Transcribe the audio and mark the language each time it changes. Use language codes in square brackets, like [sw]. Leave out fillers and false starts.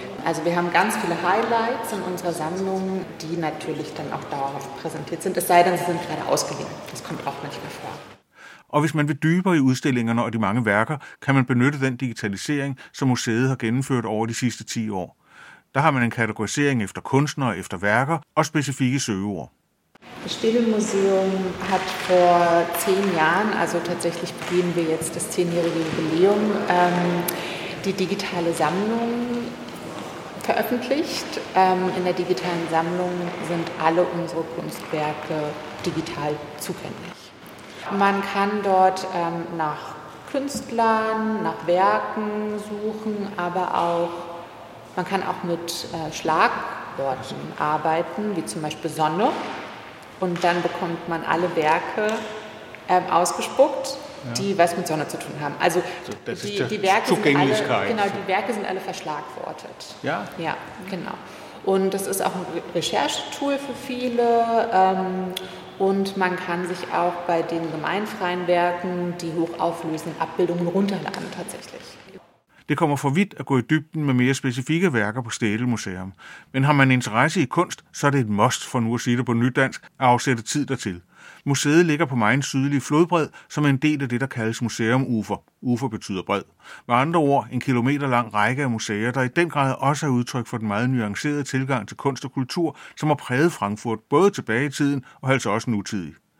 [de] Also wir haben ganz viele Highlights in unserer Sammlung, die natürlich dann auch dauerhaft präsentiert sind. Es sei denn, sie sind gerade ausgeliehen. Das kommt auch manchmal vor. [da] Og hvis man vil dybere i udstillingerne og de mange værker, kan man benytte den digitalisering, som museet har gennemført over de sidste 10 år. Der har man en kategorisering efter kunstnere, efter værker og specifikke søgeord. [de] Das Städel-Museum hat vor 10 Jahren, also tatsächlich [da] begynder vi [de] jetzt das 10-jährige Jubiläum, die digitale Sammlung veröffentlicht. In der digitalen Sammlung sind alle unsere Kunstwerke digital zugänglich. Man kann dort nach Künstlern, nach Werken suchen, aber auch man kann auch mit Schlagworten arbeiten, wie zum Beispiel Sonne. Und dann bekommt man alle Werke ausgespuckt, die was mit Sonne zu tun haben. Also die Werke sind alle, genau, die Werke sind alle verschlagwortet. Ja? Ja, genau. Und das ist auch ein Recherchetool für viele. Und man kann sich auch bei den gemeinfreien Werken die hochauflösenden Abbildungen runterladen tatsächlich. [da] Det kommer for vidt at gå i dybden med mere specifikke værker på Städel Museum. Men har man interesse i kunst, så er det et must, for nu at sige det på nydansk, at afsætte tid dertil. Museet ligger på Mainz sydlige flodbred, som er en del af det, der kaldes Museum Ufer. Ufer betyder bred. Med andre ord, en kilometer lang række af museer, der i den grad også er udtryk for den meget nuancerede tilgang til kunst og kultur, som har præget Frankfurt både tilbage i tiden og altså også nutidigt.